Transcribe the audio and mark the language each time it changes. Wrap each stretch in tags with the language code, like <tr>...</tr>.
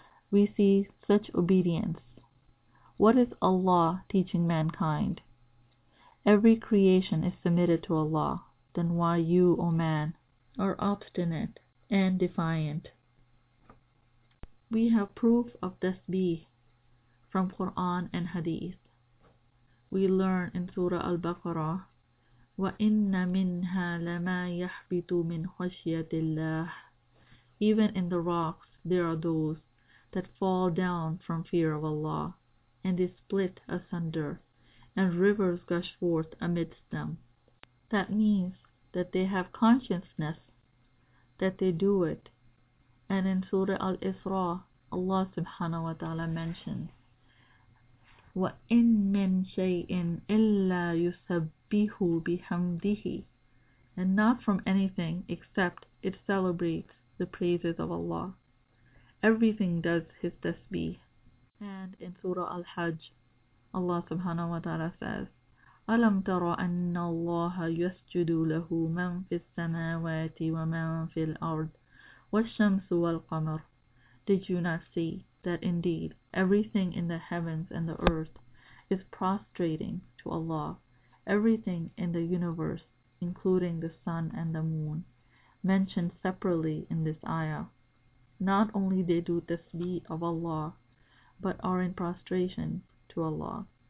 <en>We see such obedience. What is Allah teaching mankind? Every creation is submitted to Allah. Then why you, O man, are obstinate and defiant? We have proof of tasbih from Quran and Hadith. We learn in Surah Al-Baqarah,</en> <ar>وَإِنَّ مِنْهَا لَمَا يَحْبِطُ مِنْ خَشْيَةِ اللَّهِ.</ar> <en>Even in the rocks there are those that fall down from fear of Allah, and they split asunder, and rivers gush forth amidst them. That means that they have consciousness that they do it. And in Surah Al-Isra, Allah subhanahu wa ta'ala mentions,</en> <ar>وَإِن مِّن شَيْءٍ إِلَّا يُسَبِّهُ بِحَمْدِهِ.</ar> <en>And not from anything except it celebrates the praises of Allah. Everything does His tasbih. And in Surah Al-Hajj, Allah subhanahu wa ta'ala says,</en> <ar>أَلَمْ تَرَ أَنَّ اللَّهَ يَسْجُدُ لَهُ مَنْ فِي السَّمَاوَاتِ وَمَنْ فِي الْأَرْضِ وَالشَّمْسُ وَالْقَمَرِ.</ar> <en>Did you not see that indeed everything in the heavens and the earth is prostrating to Allah, everything in the universe, including the sun and the moon, mentioned separately in this ayah? Not only they do tasbih of Allah, but are in prostration to Allah.</en>